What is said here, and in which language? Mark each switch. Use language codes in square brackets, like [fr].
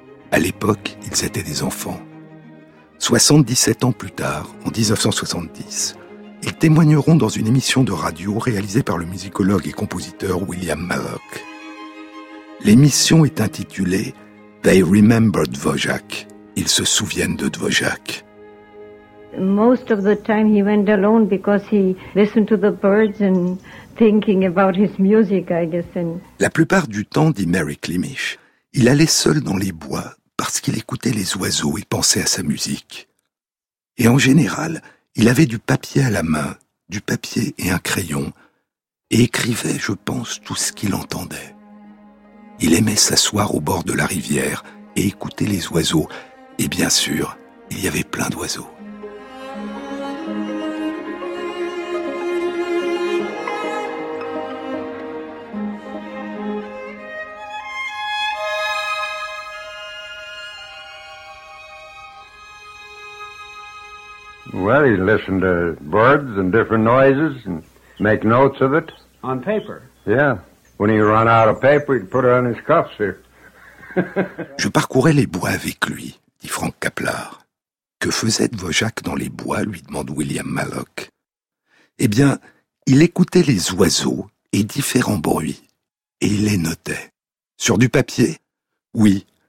[fr] À l'époque, ils étaient des enfants. 77 ans plus tard, en 1970, ils témoigneront dans une émission de radio réalisée par le musicologue et compositeur William Mallock. L'émission est intitulée « They Remember Dvořák ». Ils se souviennent de Dvořák. [en] Most of the time he went alone because he listened to the birds and thinking about his music, I guess. [fr] La plupart du temps, dit Mary Klimisch, il allait seul dans les bois parce qu'il écoutait les oiseaux et pensait à sa musique. Et en général, il avait du papier à la main, du papier et un crayon, et écrivait, je pense, tout ce qu'il entendait. Il aimait s'asseoir au bord de la rivière et écouter les oiseaux, et bien sûr, il y avait plein d'oiseaux. [en] Well, he'd listen to birds and different noises and make notes of it. On paper? Yeah. When he ran out of paper, he'd put it on his cuffs here. [fr] Je parcourais les bois avec lui, dit Frank Kaplar. Que faisait Dvořák dans les bois, lui demande William Mallock. Eh bien, il écoutait les oiseaux et différents bruits, et il les notait. Sur du papier? Oui.